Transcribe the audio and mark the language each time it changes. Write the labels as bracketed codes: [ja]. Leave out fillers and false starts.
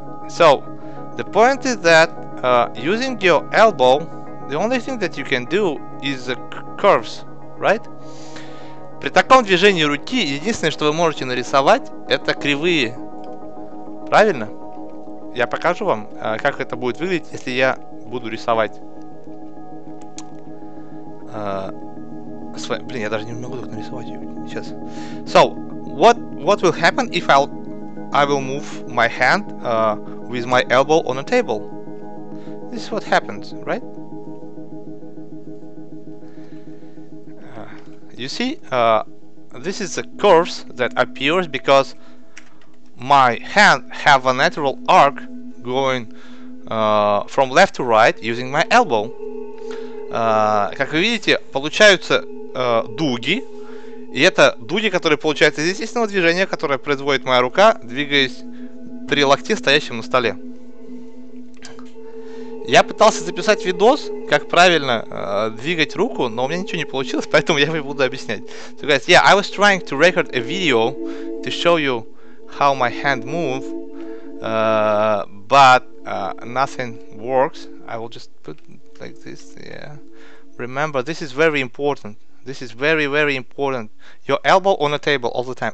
[en] So the point is that using your elbow, the only thing that you can do is the curves, right? [ru] При таком движении руки единственное, что вы можете нарисовать, это кривые. Правильно? Я покажу вам, как это будет выглядеть, если я буду рисовать. Блин, я даже не могу так нарисовать ее. Сейчас. [en] So, what will happen if I will move my hand with my elbow on a table? This is what happens, right? You see, this is a curve that appears because my hand have a natural arc going from left to right using my elbow. [ru] Как вы видите, получаются дуги, и это дуги, которые получаются из естественного движения, которое производит моя рука, двигаясь при локте, стоящем на столе. Я пытался записать видос, как правильно двигать руку, но у меня ничего не получилось, поэтому я вам буду объяснять. [en] So guys, yeah, I was trying to record a video to show you how my hand move, but nothing works. I will just put like this, yeah. Remember, this is very important. This is very, very important. Your elbow on the table all the time.